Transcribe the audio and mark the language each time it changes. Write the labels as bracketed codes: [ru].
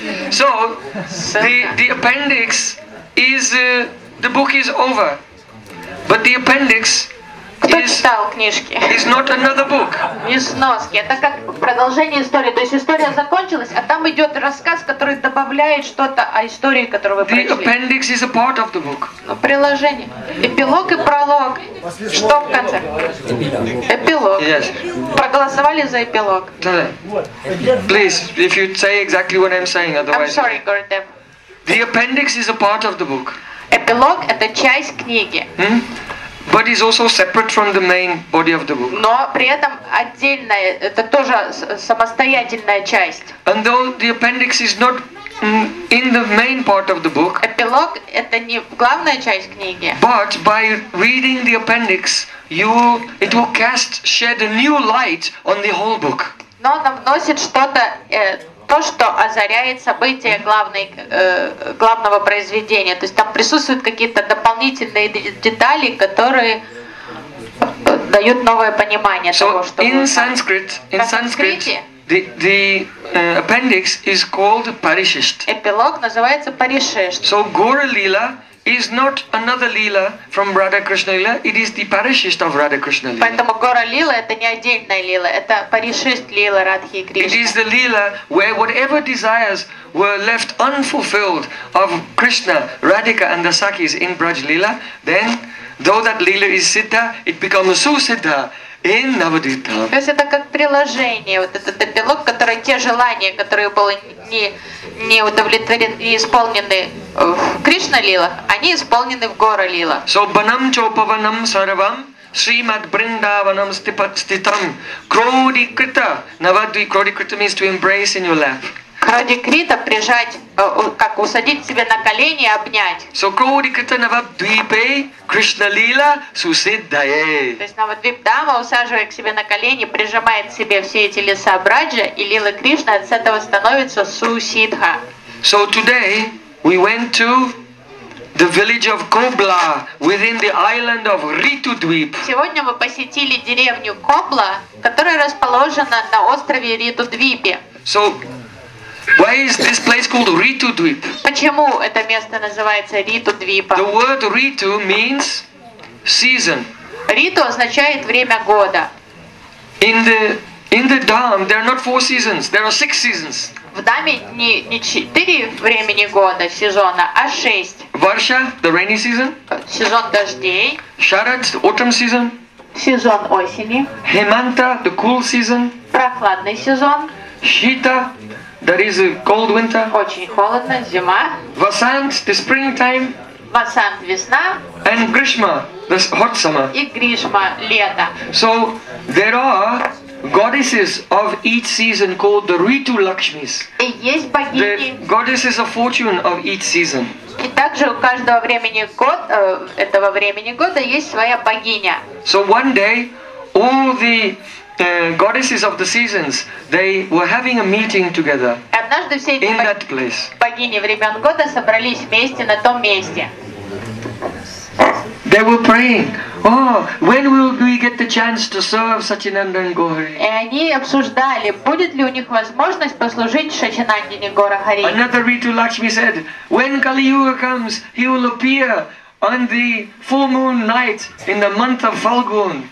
[en] So the appendix is the book is over, but the appendix is not another book. [ru] Не сноски. Это как продолжение истории. То есть история закончилась, а там идет рассказ, который добавляет что-то о истории, которую вы прочли. [en] The appendix is a part of the book. [ru] Но приложение. Эпилог и пролог. Что в конце? Эпилог. [en] Yes. [ru] Проголосовали за эпилог. [en] Please, if you say exactly what I'm saying, otherwise. I'm sorry, Gurudev. The appendix is a part of the book. [ru] Эпилог – это часть книги. Hmm? [en] But it's also separate from the main body of the book. [ru] Но при этом отдельная, это тоже самостоятельная часть. [en] And though the appendix is not in the main part of the book. [ru] Эпилог – это не главная часть книги. [en] But by reading the appendix, it will shed a new light on the whole book. [ru] Но она вносит что-то... То, что озаряет события главного произведения. То есть там присутствуют какие-то дополнительные детали, которые дают новое понимание [en] so [ru] того, что... [en] In Sanskrit, the appendix is called Parishisht. [ru] Эпилог называется Parishisht. [en] So Gaura Lila is not another Lila from Radha Krishna Lila, it is the Parishisht of Radha Krishna Lila. [ru] Поэтому Гора Лила это не отдельная Лила, это Паришист Лила Радхи Кришны. [en] It is the Lila where whatever desires were left unfulfilled of Krishna, Radhika and the Sakis in Braj Lila, then though that Lila is Siddha, it becomes Su Siddha in Navadvip Dham. [ru] То есть это как приложение, вот этот эпилог, который те желания, которые были не удовлетворены, не исполнены в Кришна-лилах, они исполнены в Гора-лилах. [en] So [sa] banam chopavanam sarvam srimad brindavanam stitam krodi krita navadvip, [en] krodi krita means to embrace in your lap. [ru] Krodi krita прижать, как усадить себе на колени и обнять. [sa] So krodi krita navadvipe Krishna-lila susiddhaye. [ru] То есть Навадвип Дама усаживая к себе на колени, прижимает к себе все эти леса Браджа и Лилы Кришны, от этого становится су-сиддха. [en] So today we went to the village of Kobla within the island of Ritudweep. [ru] Сегодня мы посетили деревню Кобла, которая расположена на острове Ритудвипе. [en] So, why is this place called Ritudweep? [ru] Почему это место называется Ритудвипа? [en] The word Ritu means season. [ru] Риту означает время года. [en] In the Dham, there are not four seasons, there are six seasons. [ru] В Дхамме не четыре времени года, сезона, а шесть. [en] Варша, the rainy season. [ru] Сезон дождей. [en] Шарад, autumn season. [ru] Сезон осени. [en] Хеманта, the cool season. [ru] Прохладный сезон. [en] Шита, that is a cold winter. [ru] Очень холодно, зима. [en] Васант, the springtime. [ru] Васант, весна. [en] And Гришма, the hot summer. [ru] И Гришма, лето. [en] So, there are goddesses of each season called the Ritu Lakshmis. The goddesses of fortune of each season. [ru] И также у каждого времени год, этого времени года есть своя богиня. [en] So one day, all the goddesses of the seasons, they were having a meeting together. [ru] Однажды все эти [en] in that place. [ru] Богини времен года собрались вместе на том месте. [en] They were praying. Oh, when will we get the chance to serve Satchinandan Gauri? [ru] И они обсуждали, будет ли у них возможность послужить Сачинандине Гаурахари. [en] Another Ritu Lakshmi said, when Kali Yuga comes, he will appear on the full moon night in the month of Falgun.